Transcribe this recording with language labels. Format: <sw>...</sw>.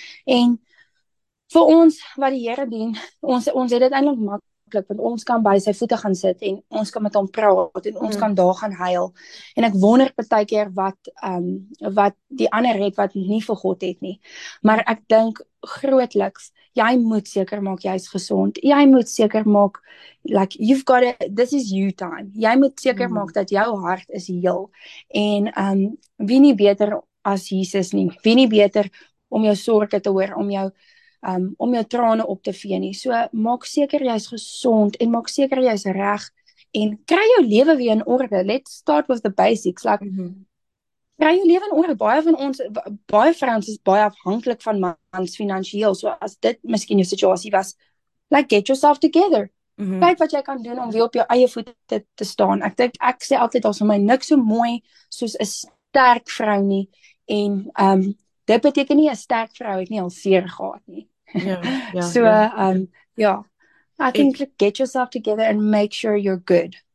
<af>En vir ons wat die Here dien, ons het dit eindelijk makkelijk, want ons kan by sy voete gaan sit en ons kan met hom praat en ons kan daar gaan huil. En ek wonder partykeer wat die ander het wat nie vir God het nie. Maar ek dink grootliks, jy moet seker maak jy is gesond. Jy moet seker maak,</af> <en>like, you've got it, this is you time.</en> <af>Jy moet seker maak dat jou hart is heel. En wie nie beter as Jesus nie? Wie nie beter om jou sorge te hoor, om jou trane op te vee nie. So maak seker jy is gesond en maak seker jy is reg en kry jou lewe weer in orde.</af> <en>Let's start with the basics. Like,</en> <af>kry jou lewe in orde. Baie vrouens is baie afhanklik van mans finansieel. So as dit miskien jou situasie was,</af> <en>like get yourself together.</en> <af>Kyk wat jy kan doen om weer op jou eie voete te staan. Ek dink ek sê altyd daar's vir my niks so mooi soos 'n sterk vrou nie en dit beteken nie 'n sterk vrou het nie al seer gehad nie.</af> <en>I think get yourself together and make sure you're good.</en>